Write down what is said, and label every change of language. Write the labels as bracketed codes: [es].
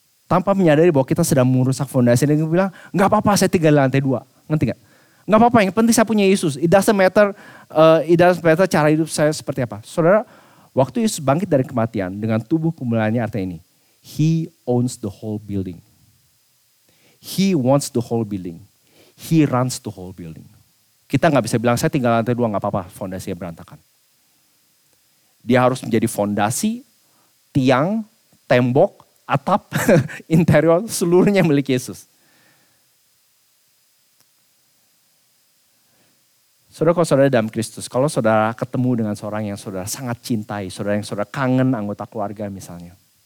[id] Tanpa menyadari bahwa kita sedang merusak fondasi dan bilang, enggak apa-apa saya tinggal di lantai 2. Ngerti enggak? Enggak apa-apa, yang penting saya punya Yesus. [en] It doesn't matter [id] cara hidup saya seperti apa. Saudara, waktu Yesus bangkit dari kematian dengan tubuh kemuliaannya artinya ini, [en] He owns the whole building. He wants the whole building. He runs the whole building. [id] Kita gak bisa bilang, saya tinggal lantai 2, gak apa-apa, fondasinya berantakan. Dia harus menjadi fondasi, tiang, tembok, atap, interior, seluruhnya milik Yesus. Saudara-saudara dalam Kristus, kalau saudara ketemu dengan seorang yang saudara sangat cintai, saudara yang saudara kangen anggota keluarga misalnya.